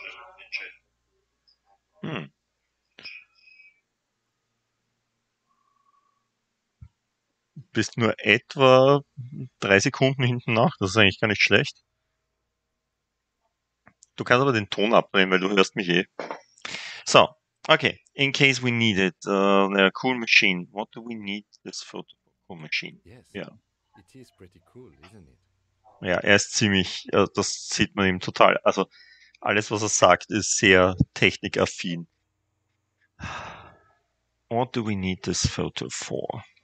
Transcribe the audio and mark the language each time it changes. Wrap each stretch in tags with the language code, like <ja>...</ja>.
<de>Schreib mal in den Chat. Bist nur etwa 3 Sekunden hinten nach, das ist eigentlich gar nicht schlecht. Du kannst aber den Ton abnehmen, weil du hörst mich eh.</de> <en>So, okay, in case we need it, a cool machine. What do we need this photo cool machine? Yes, yeah. It is pretty cool, isn't it?</en> <de>Ja, er ist ziemlich, das sieht man ihm total. Also, alles, was er sagt, ist sehr technikaffin.</de> <en>What do we need this photo for?</en>